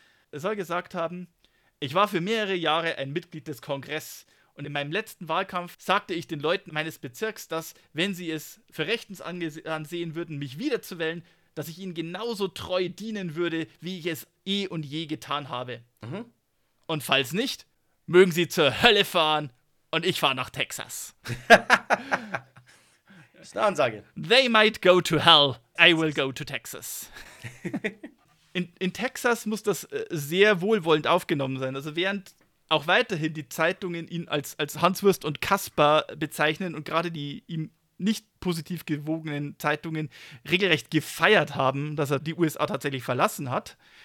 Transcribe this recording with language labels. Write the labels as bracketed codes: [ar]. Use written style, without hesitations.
[de] Er soll gesagt haben, ich war für mehrere Jahre ein Mitglied des Kongresses und in meinem letzten Wahlkampf sagte ich den Leuten meines Bezirks, dass, wenn sie es für rechtens ansehen würden, mich wiederzuwählen, dass ich ihnen genauso treu dienen würde, wie ich es eh und je getan habe. Mhm. Und falls nicht, mögen sie zur Hölle fahren und ich fahre nach Texas. Das ist eine Ansage. [en] They might go to hell, I will go to Texas. [de] In Texas muss das sehr wohlwollend aufgenommen sein. Also während auch weiterhin die Zeitungen ihn als Hanswurst und Kasper bezeichnen und gerade die ihm nicht positiv gewogenen Zeitungen regelrecht gefeiert haben, dass er die USA tatsächlich verlassen hat.